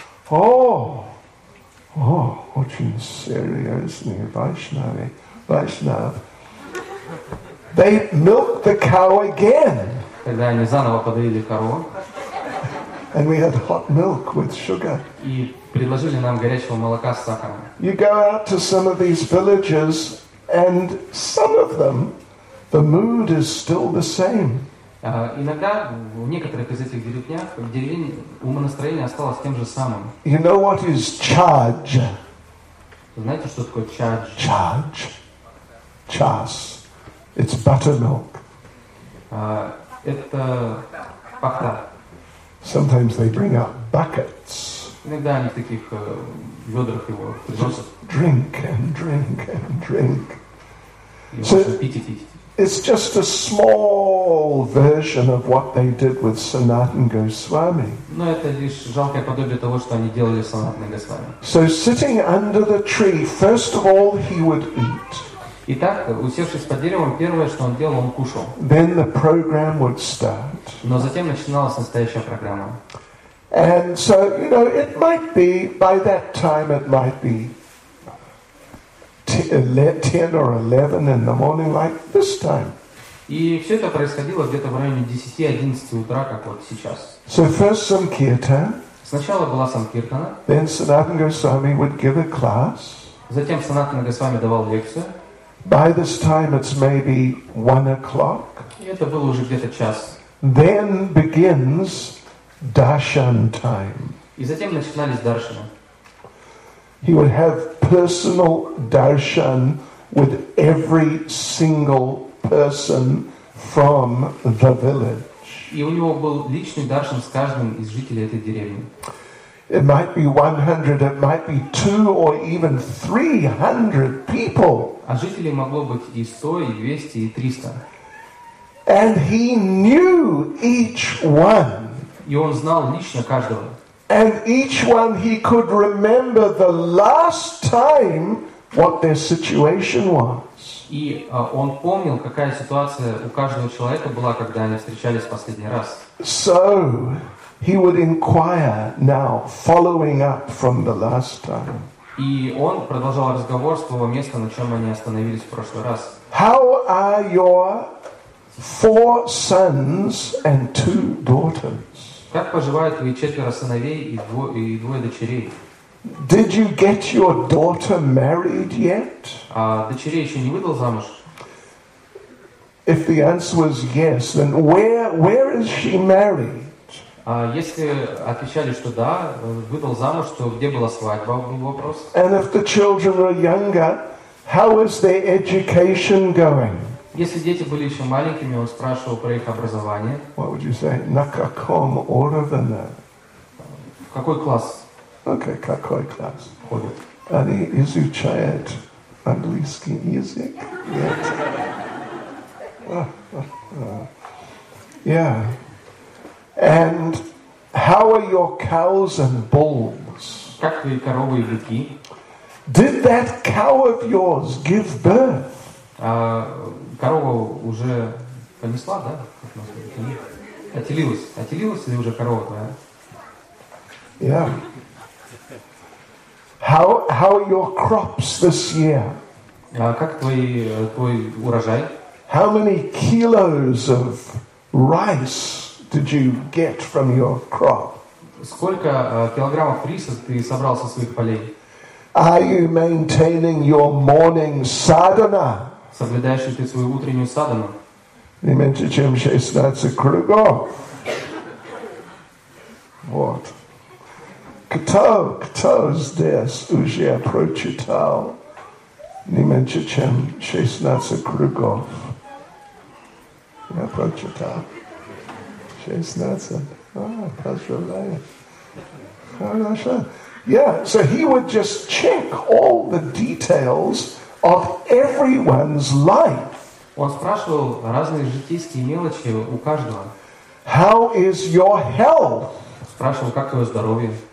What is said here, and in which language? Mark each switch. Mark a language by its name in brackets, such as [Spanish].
[English] Oh, [Russian] очень серьезно, [English] isn't it? Vaishnav. They milked the cow again. [Russian] Когда они заново подоили корову. [English] And we had hot milk with sugar. [Russian] И предложили нам горячего молока с сахаром. [English] You go out to some of these villages, and some of them, the mood is still the same. [Russian] Иногда в некоторых из этих деревень умонастроение осталось тем же самым. [English] You know what is charge? [Russian] Знаете, что такое charge? [English] Charge. Chas. It's buttermilk. [Russian] Это пахта. [English] Sometimes they bring out buckets. [Russian] Иногда они в таких ведрах его приносят. [English] Drink. [Russian] И пить. [English] It's just a small version of what they did with Sanatan Goswami. [Russian] Но это лишь жалкое подобие того, что они делали с Санатаном Госвами. [English] So sitting under the tree, first of all, he would eat. [Russian] Итак, усевшись под деревом, первое, что он делал, он кушал. [English] Then the program would start. [Russian] Но затем начиналась настоящая программа. [English] And so, you know, it might be by that time, it might be 10 or 11 in the morning, like this time. [Russian] И все это происходило где-то в районе 10-11 утра, как вот сейчас. [English] So first Sankirtan. [Russian] Сначала была Санкиртана. [English] Then Sanatana Goswami would give a class. [Russian] Затем Санатана Госвами давал лекцию. [English] By this time it's maybe 1 o'clock. [Russian] И это было уже где-то час. [English] Then begins darshan time. [Russian] И затем начинались даршаны. [English] He would have personal darshan with every single person from the village. [Russian] И у него был личный даршан с каждым из жителей этой деревни. [English] It might be 100, it might be 200 or even 300 people. [Russian] А жителей могло быть и 100, и 200, и 300. [English] And he knew each one. [Russian] И он знал лично каждого. [English] And each one he could remember the last time what their situation was. [Russian] И он помнил, какая ситуация у каждого человека была, когда они встречались последний раз. [English] So he would inquire now, following up from the last time. [Russian] И он продолжал разговор с того места, на чем они остановились в прошлый раз. [English] How are your 4 sons and 2 daughters? [Russian] Как поживают твои 4 сыновей и 2 дочерей? [English] Did you get your daughter married yet? [Russian] А дочерей еще не выдал замуж? [English] If the answer was yes, then where is she married? [Russian] А если отвечали, что да, выдал замуж, то где была свадьба, был вопрос. [English] And if the children were younger, how is their education going? [Russian] Если дети были еще маленькими, он спрашивал про их образование. [English] What would you say? [Russian] На каком уровне? В какой класс? Okay, какой класс? Они изучают английский язык? Нет. [English] Yeah. And how are your cows and bulls? [Russian] Как твои коровы и быки? [English] Did that cow of yours give birth? [Russian] Корова уже понесла, да? Отелилась или уже корова твоя? [English] Yeah. How are your crops this year? [Russian] Как твой урожай? [English] How many kilos of rice did you get from your crop? [Russian] Сколько килограммов риса ты собрал со своих полей? [English] Are you maintaining your morning sadhana? [Russian] Соблюдаешь ли ты свою утреннюю садхану? Не меньше, чем 16 кругов. Вот. Кто здесь уже прочитал не меньше, чем 16 кругов? Я прочитал. 16. Поздравляю. Хорошо. [English] Yeah, so he would just check all the details of everyone's life. [Russian] Он спрашивал разные житейские мелочи у каждого. [English] How is your health? [Russian] Спрашивал, как твое здоровье.